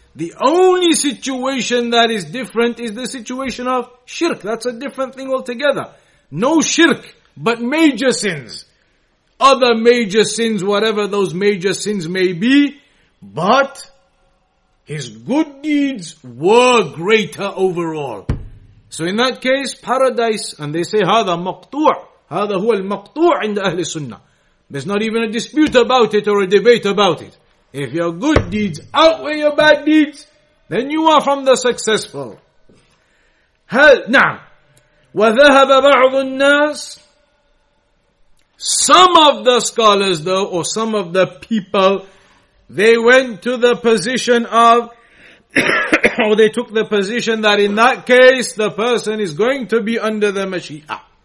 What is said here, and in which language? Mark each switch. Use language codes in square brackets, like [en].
[en] The only situation that is different is the situation of shirk. That's a different thing altogether. No shirk, but major sins. Other major sins, whatever those major sins may be, but his good deeds were greater overall. So in that case, paradise, and they say, [ar] هذا مقطوع, هذا هو المقطوع عند أهل السنة. [en] There's not even a dispute about it or a debate about it. If your good deeds outweigh your bad deeds, then you are from the successful. [ar] هل, نعم. وذهب بعض الناس. [en] Some of the scholars though, or some of the people, they went to the position of, or they took the position that in that case, the person is going to be under the Mashi'a.